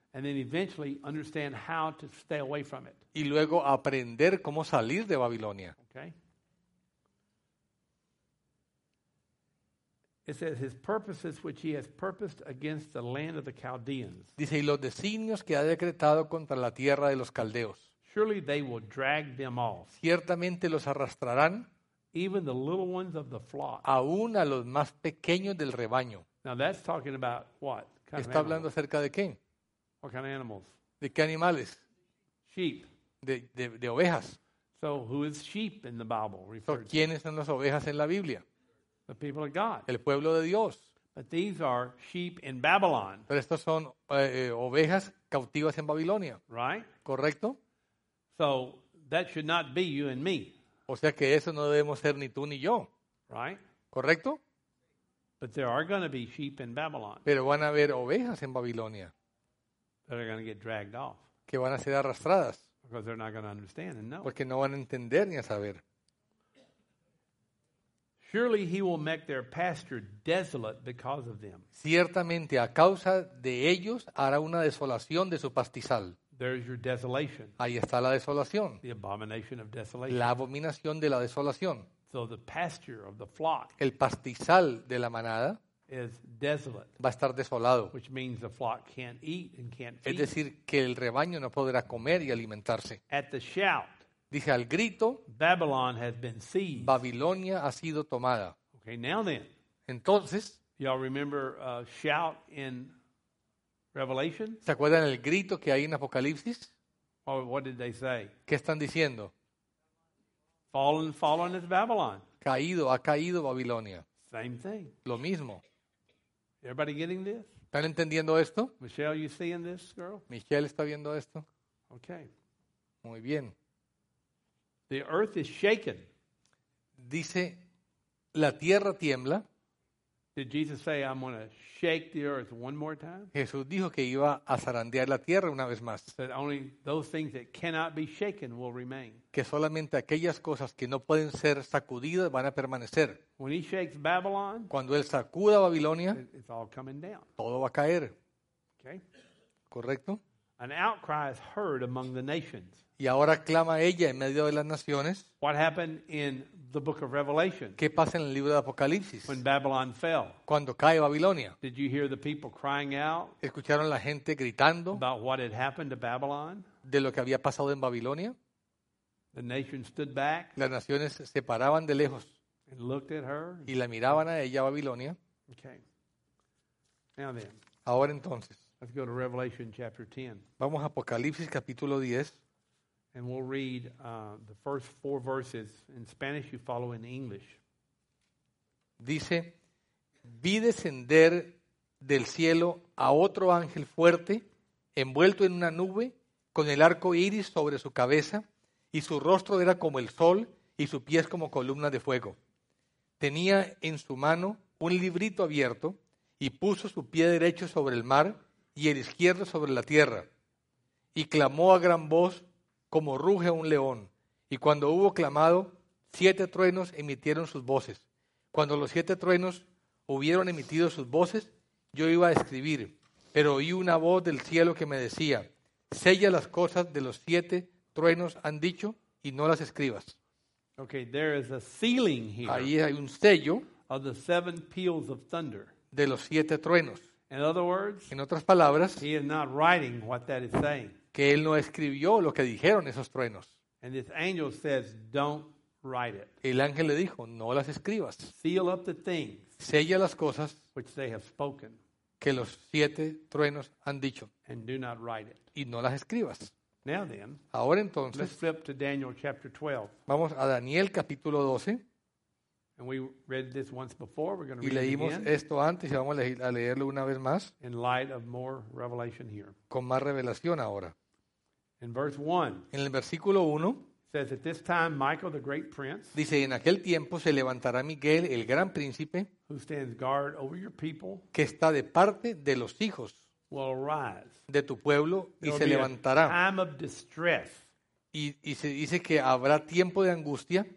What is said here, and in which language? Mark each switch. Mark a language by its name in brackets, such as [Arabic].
[English] and then eventually understand how to stay away from it. [Spanish] Y luego aprender cómo salir de Babilonia. [English] Okay. It says his purposes which he has purposed against the land of the Chaldeans. [Spanish] Dice, y los designios que ha decretado contra la tierra de los caldeos. [English] Surely they will drag them off. [Spanish] Ciertamente los arrastrarán. [English] Even the little ones of the flock. [Spanish] Aún a los más pequeños del rebaño. [English] Now that's talking about what? Kind [Spanish] ¿Está [English] of [Spanish] hablando acerca de qué? [English] What kind of animals? [Spanish] ¿De qué animales? [English] Sheep. [Spanish] De ovejas. [English] So who is sheep in the Bible referred to? [Spanish] ¿Quiénes son las ovejas en la Biblia? [English] The people of God. [Spanish] El pueblo de Dios. [English] But these are sheep in Babylon. [Spanish] Pero estos son ovejas cautivas en Babilonia. [English] Right? [Spanish] ¿Correcto? [English] So that should not be you and me. [Spanish] O sea que eso no debemos ser ni tú ni yo. [English] Right? [Spanish] ¿Correcto? [English] But there are going to be sheep in Babylon. [Spanish] Pero van a haber ovejas en Babilonia. [English] That are going to get dragged off. [Spanish] Que van a ser arrastradas. [English] Because they're not going to understand and know. [Spanish] Porque no van a entender ni a saber. [English] Surely he will make their pasture desolate because of them. [Spanish] Ciertamente a causa de ellos hará una desolación de su pastizal. [English] There's your desolation. [Spanish] Ahí está la desolación. [English] The abomination of desolation. [Spanish] La abominación de la desolación. [English] So the pasture of the flock. [Spanish] El pastizal de la manada. [English] Is desolate. [Spanish] Va a estar desolado. [English] Which means the flock can't eat and can't feed. [Spanish] Es decir, que el rebaño no podrá comer y alimentarse. [English] At the shout. [Spanish] Dice al grito. [English] Babylon has been seized. [Spanish] Babilonia ha sido tomada. [English] Okay, now then. [Spanish] Entonces. [English] Y'all remember a shout in Revelation? [Spanish] ¿Se acuerdan el grito que hay en Apocalipsis? [English] What did they say? [Spanish] ¿Qué están diciendo? [English] Fallen is Babylon. [Spanish] Caído, ha caído Babilonia. [English] Same thing. [Spanish] Lo mismo. [English] Everybody getting this? [Spanish] ¿Están entendiendo esto? [English] Michelle, you seeing this, girl? [Spanish] ¿Michelle está viendo esto? [English] Okay. [Spanish] Muy bien. [English] The earth is shaken. [Spanish] Dice, la tierra tiembla. [English] Did Jesus say, I'm going to shake the earth one more time? [Spanish] Jesús dijo que iba a zarandear la tierra una vez más. [English] That only those things that cannot be shaken will remain. [Spanish] Que solamente aquellas cosas que no pueden ser sacudidas van a permanecer. [English] When he shakes Babylon, [Spanish] cuando él sacuda Babilonia, [English] it's all coming down. [Spanish] Todo va a caer. [English] Okay. [Spanish] ¿Correcto? [English] An outcry is heard among the nations. [Spanish] Y ahora clama ella en medio de las naciones. [English] What happened in the book of Revelation? [Spanish] ¿Qué pasa en el libro de Apocalipsis? [English] When Babylon fell. [Spanish] Cuando cae Babilonia. [English] Did you hear the people crying out? [Spanish] ¿Escucharon la gente gritando? [English] About what had happened to Babylon? [Spanish] De lo que había pasado en Babilonia. [English] The nation stood back. [Spanish] Las naciones se paraban de lejos. [English] And looked at her. [Spanish] Y la miraban a ella, Babilonia. [English] Okay. Now then. [Spanish] Ahora entonces. [English] Let's go to Revelation chapter 10. [Spanish] Vamos a Apocalipsis capítulo 10. [English] And we'll read the first four verses in Spanish, you follow in English. [Spanish] Dice, vi descender del cielo a otro ángel fuerte, envuelto en una nube, con el arco iris sobre su cabeza, y su rostro era como el sol, y sus pies como columna de fuego. Tenía en su mano un librito abierto, y puso su pie derecho sobre el mar, y el izquierdo sobre la tierra, y clamó a gran voz, como ruge un león. Y cuando hubo clamado, siete truenos emitieron sus voces. Cuando los siete truenos hubieron emitido sus voces, yo iba a escribir, pero oí una voz del cielo que me decía, sella las cosas de los siete truenos han dicho y no las escribas. [English] Okay, there is a sealing here. [Spanish] Ahí hay un sello [English] of the seven peals of thunder. [Spanish] De los siete truenos. [English] In other words, [Spanish] en otras palabras, [English] he is not writing what that is saying. [Spanish] Que él no escribió lo que dijeron esos truenos. [English] And this angel says, don't write it. [Spanish] El ángel le dijo, no las escribas. [English] Seal up the things. [Spanish] Sella las cosas. [English] Which they have spoken. [Spanish] Que los siete truenos han dicho. [English] And do not write it. [Spanish] Y no las escribas. [English] Now then. [Spanish] Ahora entonces. [English] Let's flip to Daniel chapter 12. [Spanish] Vamos a Daniel capítulo 12. [English] And we read this once before. We're going to [Spanish] y [English] read [Spanish] leímos [English] it again. [Spanish] Esto antes y vamos a leerlo una vez más. [English] In light of more revelation here. [Spanish] Con más revelación ahora. [English] In verse 1. [Spanish] En el versículo 1. [English] Says, at this time, Michael, the great prince. [Spanish] Dice, en aquel tiempo se levantará Miguel, el gran príncipe. [English] Who stands guard over your people. [Spanish] Que está de parte de los hijos. [English] Will arise. [Spanish] De tu pueblo y se levantará. [English] A time of distress. [Spanish] Y se dice que habrá tiempo de angustia